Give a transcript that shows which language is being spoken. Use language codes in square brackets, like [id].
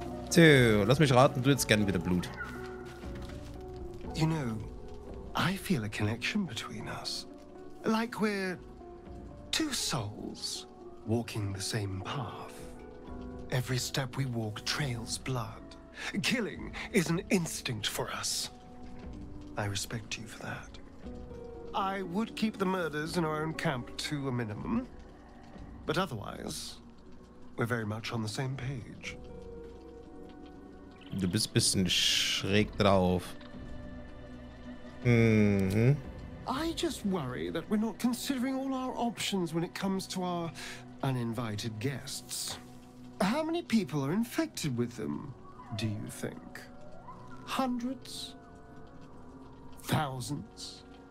[de] So, lass mich raten, du hättest gern wieder Blut. [en] You know, I feel a connection between us. Like we're two souls. Walking the same path. Every step we walk trails blood. Killing is an instinct for us. I respect you for that. I would keep the murders in our own camp to a minimum. But otherwise, we're very much on the same page. [de] Du bist ein bisschen schräg drauf. [en] I just worry that we're not considering all our options when it comes to our uninvited guests. How many people are infected with them, do you think? Hundreds? Thousands?